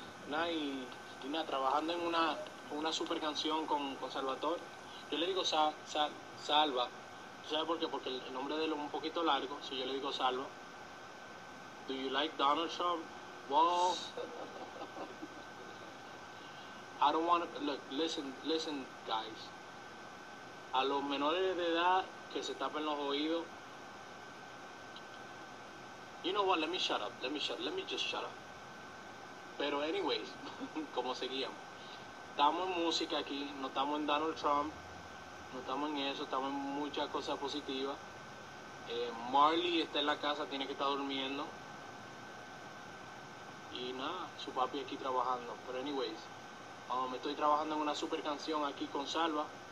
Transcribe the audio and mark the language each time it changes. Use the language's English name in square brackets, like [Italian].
[Spanish] Nada, trabajando en una super canción con Salvatore. Yo le digo Salva. ¿Sabes por qué? Porque el nombre de él es un poquito largo, si yo le digo Salva. [English] Do you like Donald Trump? Well, I don't want to, listen, guys. [Spanish] A los menores de edad que se tapen los oídos. [English] You know what, let me just shut up. [Spanish] Pero [English] anyways, [Spanish] como seguíamos. Estamos en música aquí, no estamos en Donald Trump. No estamos en eso, estamos en muchas cosas positivas. Marley está en la casa, tiene que estar durmiendo. Y nada, su papi aquí trabajando. Pero [English] anyways, [Spanish] me estoy trabajando en una super canción aquí con Salva.